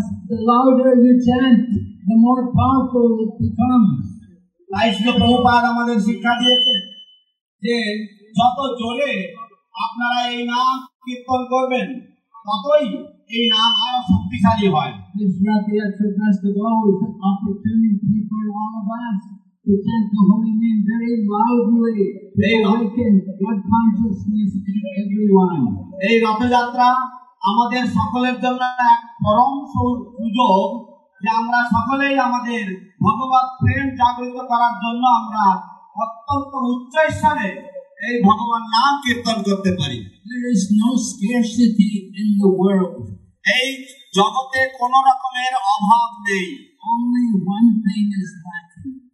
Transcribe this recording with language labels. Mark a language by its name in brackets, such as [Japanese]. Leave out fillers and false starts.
[English] The louder you chant, the more powerful it becomes. [Bangla] Krishna Prabhupada আমাদের শিক্ষা দিয়েছে যে যত জোরে আপনারা এই নাম কীর্তন করবেন ততই এই নাম আরো শক্তিশালী হয়। [English] This Radhiya Chaturdashi is an opportunity for all of us. To chant the holy name very loudly to awaken God consciousness in everyone. [Bangla] এই রথযাত্রা আমাদের সকলের জন্য এক পরম সুযোগ যে আমরা সকলেই আমাদের ভগবত প্রেম জাগ্রত করার জন্য আমরা অত্যন্ত উচ্চ স্থানে এই ভগবান নাম কীর্তন করতে পারি. [English] There is no scarcity in the world. [Bangla] এই জগতে কোন রকমের অভাব নেই. [English] Only one thing is lacking.